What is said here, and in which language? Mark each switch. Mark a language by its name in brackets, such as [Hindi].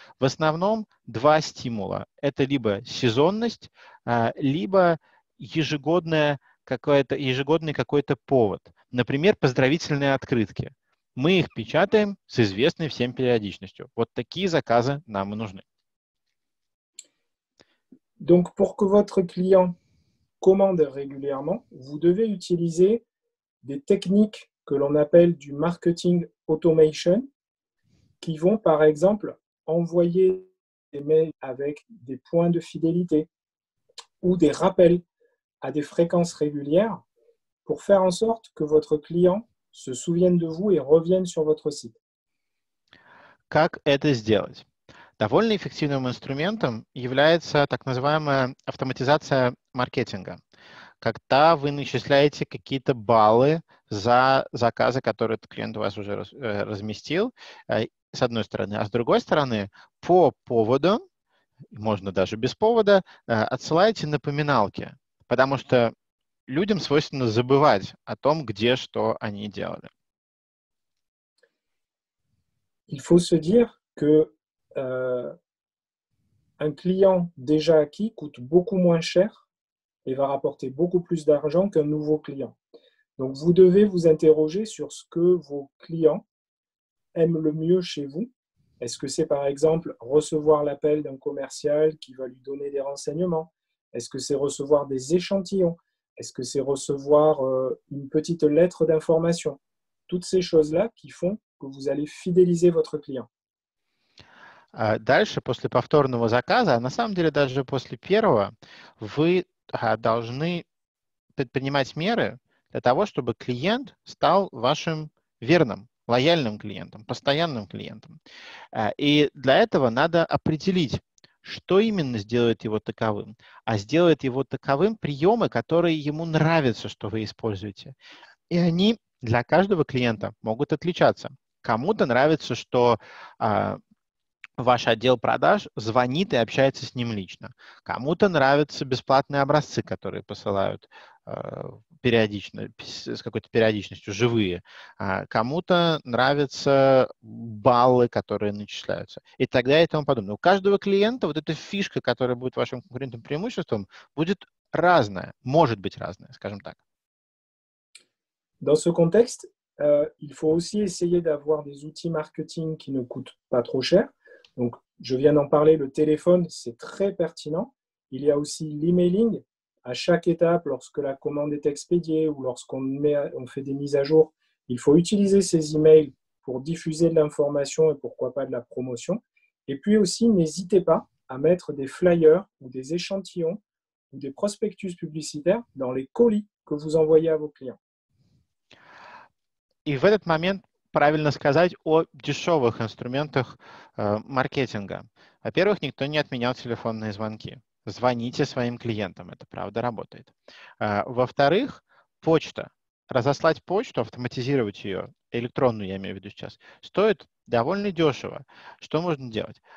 [Russian] В основном два стимула. Это либо сезонность, либо ежегодный какой-то повод. Например, поздравительные открытки. Мы их печатаем с известной всем периодичностью. Вот такие заказы нам и нужны. [French] Donc, pour que votre client commande régulièrement, vous devez utiliser des techniques que l'on appelle du marketing automation qui vont par exemple envoyer des mails avec des points de fidélité ou des rappels à des fréquences régulières pour faire en sorte que votre client se souvienne de vous et revienne sur votre site. [Russian] Как это сделать? Довольно эффективным инструментом является так называемая автоматизация маркетинга, когда вы начисляете какие-то баллы за заказы, которые этот клиент у вас уже разместил, с одной стороны. А с другой стороны, по поводу, можно даже без повода, отсылаете напоминалки, потому что людям свойственно забывать о том, где что они делали. [French] Il faut se dire que un client déjà acquis coûte beaucoup moins cher et va rapporter beaucoup plus d'argent qu'un nouveau client. Donc, vous devez vous interroger sur ce que vos clients aiment le mieux chez vous. Est-ce que c'est, par exemple, recevoir l'appel d'un commercial qui va lui donner des renseignements? Est-ce que c'est recevoir des échantillons? Est-ce que c'est recevoir une petite lettre d'information? Toutes ces choses-là qui font que vous allez fidéliser votre client. [Russian] Дальше, после повторного заказа, а на самом деле даже после первого, вы должны предпринимать меры для того, чтобы клиент стал вашим верным, лояльным клиентом, постоянным клиентом. И для этого надо определить, что именно сделает его таковым. А сделает его таковым приемы, которые ему нравятся, что вы используете. И они для каждого клиента могут отличаться. Кому-то нравится, что ваш отдел продаж звонит и общается с ним лично. Кому-то нравятся бесплатные образцы, которые посылают периодично, с какой-то периодичностью, живые. Кому-то нравятся баллы, которые начисляются. И тогда и тому подобное. У каждого клиента вот эта фишка, которая будет вашим конкурентным преимуществом, будет разная, может быть разная, скажем так. [French] Dans ce contexte, il faut aussi essayer d'avoir des outils marketing qui ne coûtent pas trop cher. Donc, je viens d'en parler, le téléphone, c'est très pertinent. Il y a aussi l'emailing. À chaque étape, lorsque la commande est expédiée ou lorsqu'on fait des mises à jour, il faut utiliser ces emails pour diffuser de l'information et pourquoi pas de la promotion. Et puis aussi, n'hésitez pas à mettre des flyers ou des échantillons ou des prospectus publicitaires dans les colis que vous envoyez à vos clients. [Russian] И в этот момент правильно сказать о дешевых инструментах маркетинга. Во-первых, никто не отменял телефонные звонки. Звоните своим клиентам, это правда работает. Во-вторых, почта. Разослать почту, автоматизировать ее, электронную я имею в виду сейчас, стоит довольно дешево. Что можно делать?